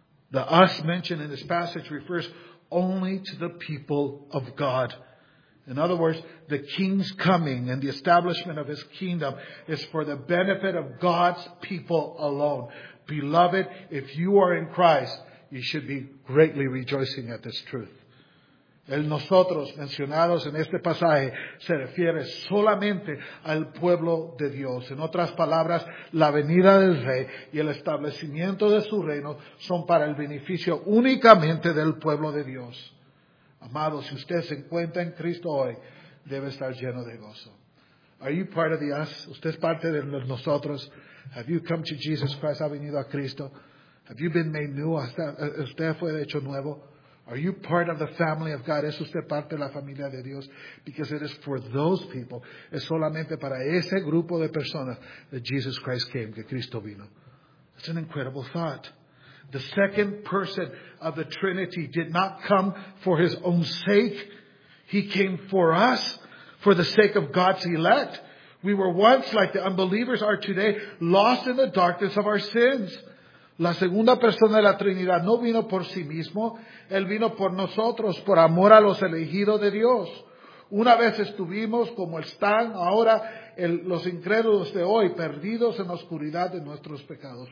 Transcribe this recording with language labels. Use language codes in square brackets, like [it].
[en] The us mentioned in this passage refers only to the people of God. In other words, the king's coming and the establishment of his kingdom is for the benefit of God's people alone. Beloved, if you are in Christ, you should be greatly rejoicing at this truth. [es] El nosotros mencionados en este pasaje se refiere solamente al pueblo de Dios. En otras palabras, la venida del rey y el establecimiento de su reino son para el beneficio únicamente del pueblo de Dios. Amado, si usted se encuentra en Cristo hoy, debe estar lleno de gozo. [en] Are you part of the us? [es] ¿Usted es parte de nosotros? [en] Have you come to Jesus Christ? [es] ¿Ha venido a Cristo? [en] Have you been made new? [es] ¿Usted fue hecho nuevo? [en] Are you part of the family of God? [es] ¿Es usted parte de la familia de Dios? [en] Because it is for those people. [es] Es solamente para ese grupo de personas [en] that Jesus Christ came, [es] que Cristo vino. [en] It's an incredible thought. The second person of the Trinity did not come for his own sake. He came for us, for the sake of God's elect. We were once, like the unbelievers are today, lost in the darkness of our sins. [es] La segunda persona de la Trinidad no vino por sí mismo. Él vino por nosotros, por amor a los elegidos de Dios. Una vez estuvimos como están ahora los incrédulos de hoy, perdidos en la oscuridad de nuestros pecados.